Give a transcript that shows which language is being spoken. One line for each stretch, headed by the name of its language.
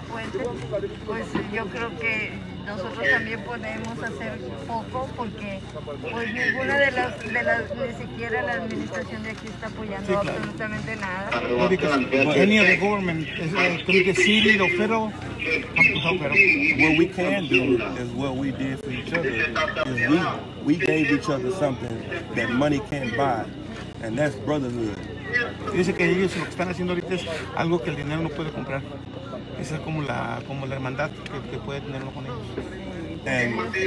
Spanish: Pues yo creo que nosotros también podemos hacer poco porque pues ninguna de las ni siquiera la administración de aquí está apoyando sí, claro. Absolutamente nada.
English: No, because any of the government,
Spanish: creo que
English: city or federal. What we can do is what we did for each other. Is we gave each other something that money can't buy, and that's brotherhood.
Spanish: Dice que ellos lo que están haciendo ahorita es algo que el dinero no puede comprar. Esa es como la hermandad que puede tenerlo con ellos.